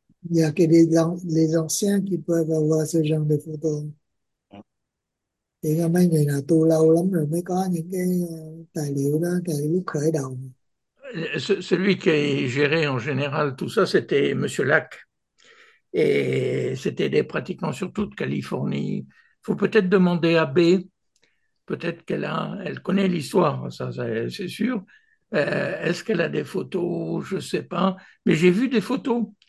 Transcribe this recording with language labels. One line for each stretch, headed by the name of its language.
French: Il y a que les anciens qui peuvent avoir ce genre de photos.
Vietnamese: Thì có mấy người nào tu lâu lắm rồi mới có những cái tài liệu đó, tài liệu khởi đầu.
French: Celui qui est géré en général tout ça, c'était Monsieur Lac. Et c'était des pratiquants surtout de Californie. Faut peut-être demander à B, peut-être elle connaît l'histoire, ça c'est sûr. Est-ce qu'elle a des photos? Je ne sais pas. Mais j'ai vu des photos.